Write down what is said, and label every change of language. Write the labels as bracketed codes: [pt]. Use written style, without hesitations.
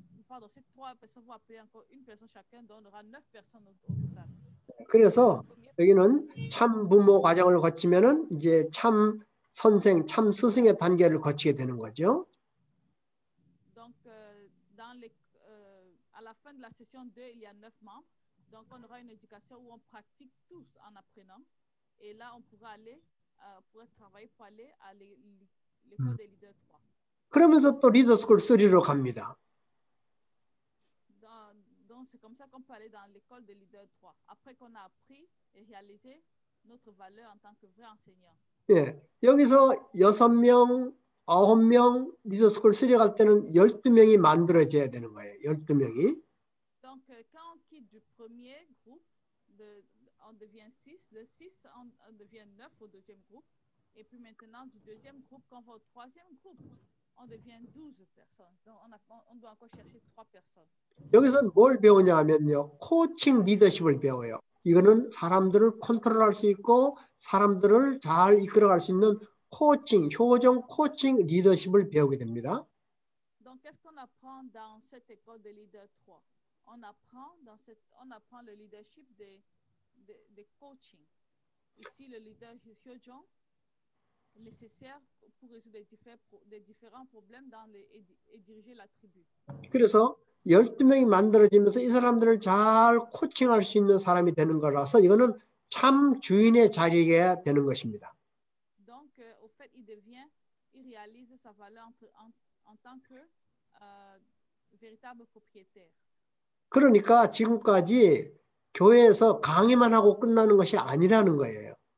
[fr] pardon, ces trois personnes vont appeler encore une personne chacun, donc on aura neuf personnes au total. [ko] 그래서 여기는 참 부모 과정을 거치면은 이제 참 선생, 참 스승의 단계를 거치게 되는 거죠. [fr] Donc dans les à la fin de la session 2, il y a neuf membres, donc on aura une éducation où on pratique tous en apprenant, et là on pourra aller pour travailler pour aller à l'école des leaders 3. [ko] 그러면서 또 리더 스쿨 3로 갑니다. [fr] Donc c'est comme ça qu'on peut aller dans l'école de leader 3 après qu'on a appris et réalisé notre valeur en tant que vrai enseignant. [ko] 예. 여기서 6명, 9명 리더 스쿨 3 갈 때는 12명이 만들어져야 되는 거예요. 12명이. [fr] Donc quand on quitte du premier groupe, on devient 6, le 6 on devient 9 au deuxième groupe et puis maintenant du deuxième groupe quand on va au troisième groupe. On devient 12 personnes. Donc on doit encore chercher 3 personnes. [ko] 여기서 뭘 배우냐면요. 코칭 리더십을 배워요. 이거는 사람들을 컨트롤할 수 있고 사람들을 잘 이끌어 갈 수 있는 코칭, 효정 코칭 리더십을 배우게 됩니다. [fr] Donc qu'est-ce qu'on apprend dans cette école de leader 3? On apprend dans cette on apprend le leadership de coaching. Ici le leader Hyojong nécessaire pour résoudre des différents problèmes dans les et diriger la tribu. [ko] 그래서 12명이 만들어지면서 이 사람들을 잘 코칭할 수 있는 사람이 되는 거라서 이거는 참 주인의 자리에 되는 것입니다. [fr] Donc au fait il devient il réalise sa valeur en tant que véritable propriétaire. [ko] 그러니까 지금까지 교회에서 강의만 하고 끝나는 것이 아니라는 거예요.